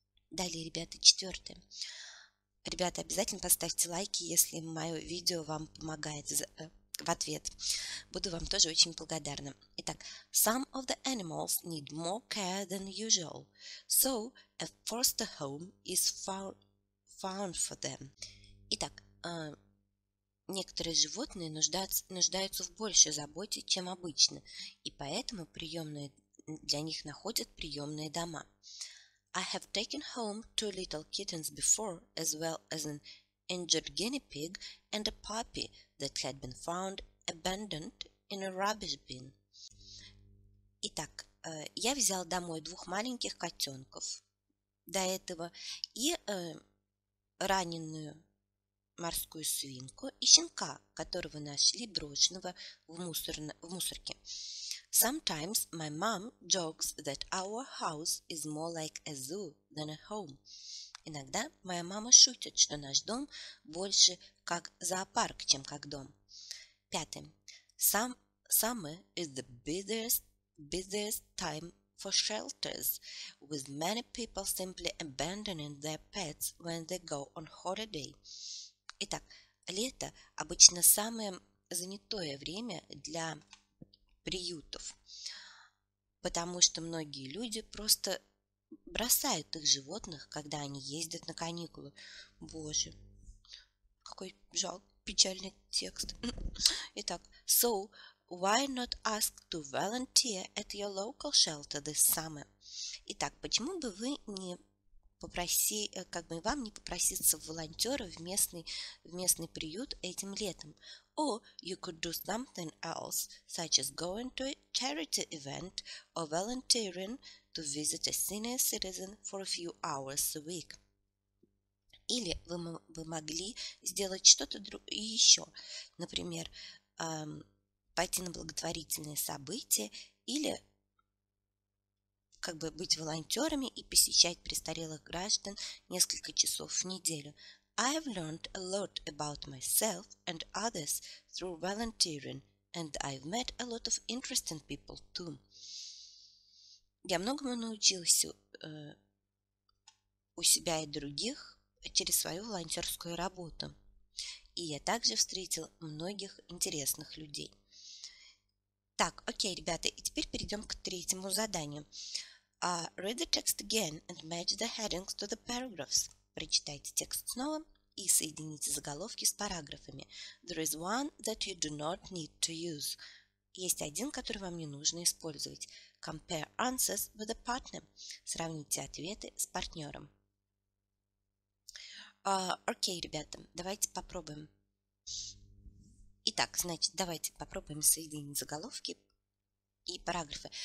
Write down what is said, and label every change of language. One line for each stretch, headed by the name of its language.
Russian: Далее, ребята, четвертое. Ребята, обязательно поставьте лайки, если мое видео вам помогает в ответ. Буду вам тоже очень благодарна. Итак,
English: some of the animals need more care than usual, so a foster home is found for them.
Russian: Итак, некоторые животные нуждаются в большей заботе, чем обычно, и поэтому приемные для них находят приемные дома.
English: I have taken home two little kittens before, as well as an injured guinea pig and a puppy that had been found abandoned in a rubbish bin.
Russian: Итак, я взял домой двух маленьких котенков до этого и раненую морскую свинку и щенка, которого нашли брошенного в мусорке.
English: Sometimes my mom jokes that our house is more like a zoo than a home.
Russian: Иногда моя мама шутит, что наш дом больше как зоопарк, чем как дом. Пятым.
English: Summer is the busiest time for shelters, with many people simply abandoning their pets when they go on holiday.
Russian: Итак, лето обычно самое занятое время для приютов, потому что многие люди просто бросают их животных, когда они ездят на каникулы. Боже, какой жалкий, печальный текст. Итак,
English: so why not ask to volunteer at your local shelter this summer?
Russian: Итак, почему бы вы не попроси, как бы вам не попроситься в волонтеры в местный приют этим летом.
English: Or you could do something else, such as going to a charity event or volunteering to visit a senior citizen for a few hours a week.
Russian: Или вы могли сделать что-то еще. Например, пойти на благотворительные события или как бы быть волонтерами и посещать престарелых граждан несколько часов в неделю.
English: I have learned a lot about myself and others through volunteering, and I've met a lot of interesting people too.
Russian: Я многому научился у себя и других через свою волонтерскую работу. И я также встретил многих интересных людей. Так, окей, ребята, и теперь перейдем к третьему заданию.
English: Read the text again and match the headings to the paragraphs.
Russian: Прочитайте текст снова и соедините заголовки с параграфами.
English: There is one that you do not need to use.
Russian: Есть один, который вам не нужно использовать.
English: Compare answers with a partner.
Russian: Сравните ответы с партнером. Окей, ребята, давайте попробуем. Итак, значит, давайте попробуем соединить заголовки и параграфы.